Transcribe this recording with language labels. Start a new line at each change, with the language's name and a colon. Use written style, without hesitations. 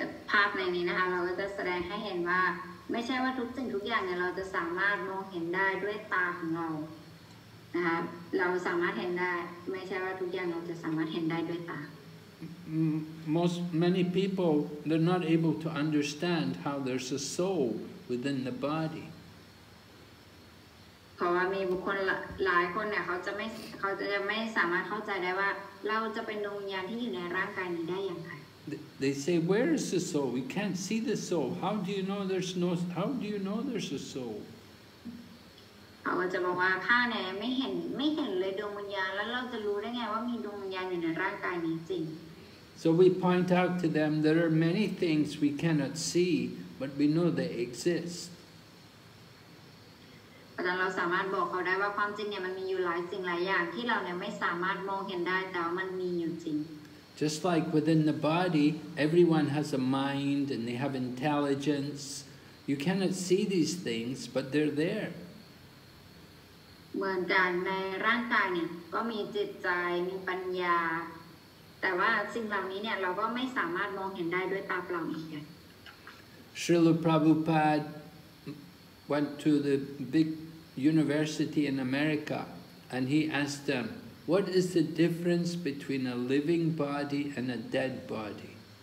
Thai: ภาพในนี้นะคะเราก็จะแสดงให้เห็นว่าไม่ใช่ว่าทุกสิ่งทุกอย่างเนี่ยเราจะสามารถมองเห็นได้ด้วยตาของเรานะคะเราสามารถเห็นได้ไม่ใช่ว่าทุกอย่างเราจะสามารถเห็นได้ด้วยตา
English: Most many people they're not able to understand how there's a soul within the body.
Thai: เพราะว่ามีบุคคลหลายคนเนี่ยเขาจะไม่สามารถเข้าใจได้ว่าเราจะเป็นดวงวิญญาณที่อยู่ในร่างกายนี้ได้อย่างไร
English: they say, where is the soul? We can't see the soul. How do you know there's no, how do you know there's a soul? So we point out to them, there are many things we cannot see, but we know they exist.
Thai: เราสามารถบอกเขาได้ว่าความจริงเนี่ยมันมีอยู่หลายสิ่งหลายอย่างที่เราเนี่ยไม่สามารถมองเห็นได้แต่ว่ามันมีอยู่จริง
English: Just like within the body, everyone has a mind and they have intelligence. You cannot see these things, but they're there.
Thai: เหมือนกันในร่างกายเนี่ยก็มีจิตใจมีปัญญาแต่ว่าสิ่งเหล่านี้เนี่ยเราก็ไม่สามารถมองเห็นได้ด้วยตาเปล่าเหมือนกัน
English: Srila Prabhupada. Went to the big university in America and he asked them, what is the difference between a living body and a dead body?